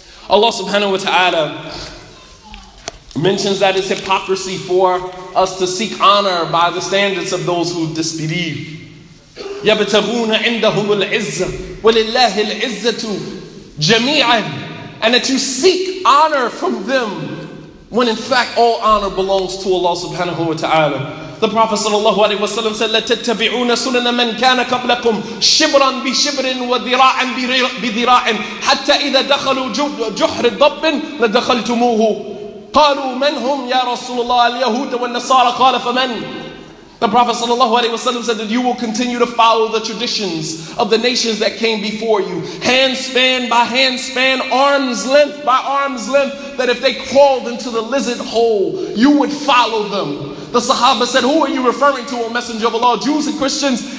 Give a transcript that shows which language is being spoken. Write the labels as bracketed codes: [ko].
[en] Allah subhanahu wa ta'ala mentions that it's hypocrisy for us to seek honor by the standards of those who disbelieve. [ar] يَبْتَغُونَ عِنْدَهُمُ الْعِزَّةِ وَلِلَّهِ الْعِزَّةُ جَمِيعًا. [en] And that you seek honor from them, when in fact all honor belongs to Allah subhanahu wa ta'ala. The Prophet sallallahu alaihi wasallam said, [ar] لَتَتَّبِعُونَ سُنَنَ مَنْ كَانَ قَبْلَكُمْ شِبْرًا بِشِبْرٍ وَذِرَاعًا بِذِرَاعٍ حَتَّى إِذَا دَخَلُوا جُحْرِ الضَّبٍ لَدَخَلْتُمُوهُ قَالُوا مَنْ هُمْ يَا رَسُولُ اللَّهِ الْيَهُودَ وَالنَّصَارَ قَالَ فَمَنْ. [en] The Prophet sallallahu alaihi wasallam said that you will continue to follow the traditions of the nations that came before you, hand span by hand span, arm's length by arm's length, that if they crawled into the lizard hole, you would follow them. The Sahaba said, who are you referring to, O Messenger of Allah, Jews and Christians?